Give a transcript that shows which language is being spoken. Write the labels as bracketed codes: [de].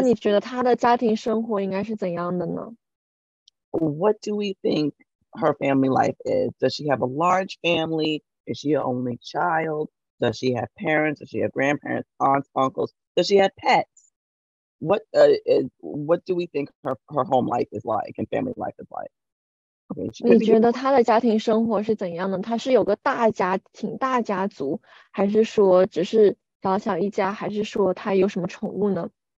[zh] 那你觉得她的家庭生活应该是怎样的呢 [en] What do we think her family life is? Does she have a large family? Is she an only child? Does she have parents? Does she have grandparents, aunts, uncles? Does she have pets? What do we think her home life is like and family life is like? [zh] 你觉得他的家庭生活是怎样的？他是有个大家庭、大家族，还是说只是小小一家，还是说他有什么宠物呢？